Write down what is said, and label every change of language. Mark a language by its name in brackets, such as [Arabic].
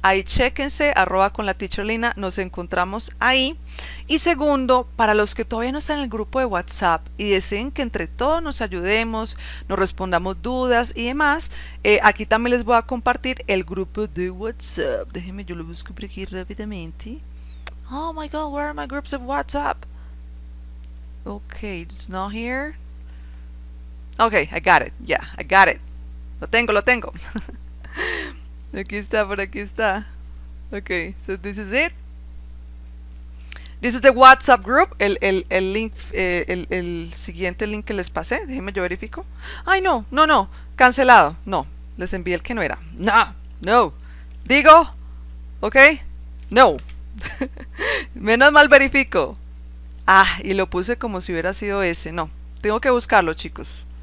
[Spanish] Ahí chéquense, arroba con la teacher Lina, nos encontramos ahí. Y segundo, para los que todavía no están en el grupo de WhatsApp y deseen que entre todos nos ayudemos, nos respondamos dudas y demás, aquí también les voy a compartir el grupo de WhatsApp. Déjenme, yo lo busco por aquí rápidamente. [English] Oh my God, where are my groups of WhatsApp? Okay, it's not here. Okay, I got it. Yeah, I got it. [Spanish] Lo tengo, lo tengo. Aquí está, por aquí está. [English] Okay, so this is it. This is the WhatsApp group. [Spanish] El link, el siguiente link que les pasé. Déjenme, yo verifico. Ay, no, no, no. Cancelado. No, les envié el que no era. No, no. Digo, okay, no. Menos mal verifico. Ah, y lo puse como si hubiera sido ese. No, tengo que buscarlo, chicos.